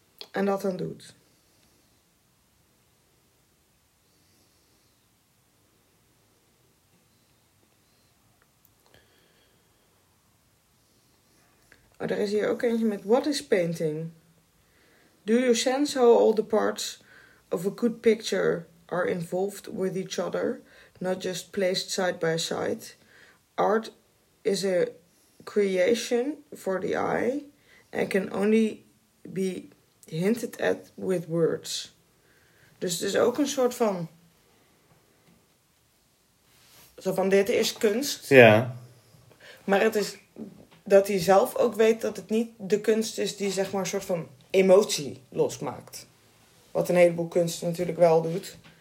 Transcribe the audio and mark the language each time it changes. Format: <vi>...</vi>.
<nl>En dat dan doet. Maar er is hier ook eentje met,</nl> <en>what is painting? Do you sense how all the parts of a good picture are involved with each other, not just placed side by side? Art is a creation for the eye and can only be hinted at with words.</en> <nl>Dus het is ook een soort van, zo van, dit is kunst. Ja. Yeah. Maar het is dat hij zelf ook weet dat het niet de kunst is die, zeg maar, een soort van emotie losmaakt. Wat een heleboel kunst natuurlijk wel doet.</nl>